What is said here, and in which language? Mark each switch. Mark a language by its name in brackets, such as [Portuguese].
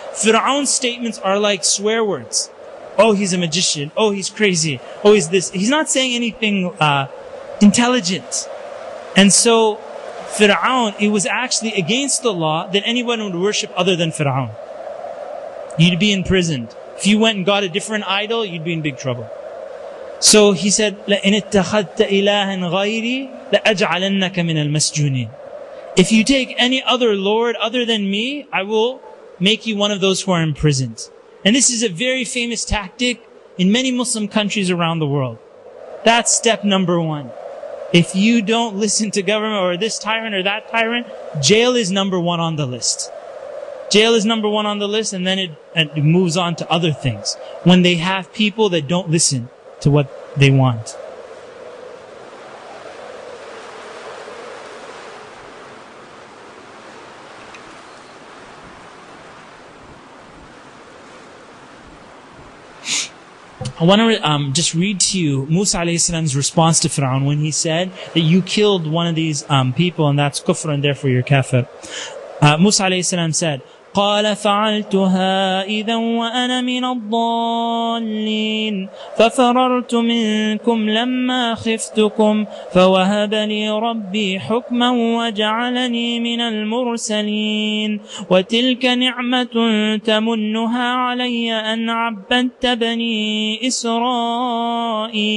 [English] Fir'aun's statements are like swear words. Oh, he's a magician. Oh, he's crazy. Oh, he's this. He's not saying anything intelligent. And so, Fir'aun, it was actually against the law that anyone would worship other than Fir'aun. You'd be imprisoned. If you went and got a different idol, you'd be in big trouble. So he said, [Arabic] لَإِنِ اتَّخَذْتَ إِلَاهًا غَيْرِي لَأَجْعَلَنَّكَ مِنَ الْمَسْجُونِينَ. [English] If you take any other Lord other than me, I will make you one of those who are imprisoned. And this is a very famous tactic in many Muslim countries around the world. That's step number one. If you don't listen to government or this tyrant or that tyrant, jail is number one on the list. Jail is number one on the list, and then it moves on to other things. When they have people that don't listen to what they want. I want to just read to you Musa alayhi salam's response to Firawn when he said that you killed one of these people and that's kufr and therefore you're kafir. [Arabic] Musa alayhi salam said, قَالَ فَعَلْتُهَا إِذًا وَأَنَا مِنَ الضَّالِّينَ فَفَرَرْتُ مِنْكُمْ لَمَّا خِفْتُكُمْ فَوَهَبَ لِي رَبِّي حُكْمًا وَجَعَلَنِي مِنَ الْمُرْسَلِينَ وَتِلْكَ نِعْمَةٌ تَمُنُّهَا عَلَيَّ أَنْ عَبَّدْتَ بَنِي إِسْرَائِيلَ.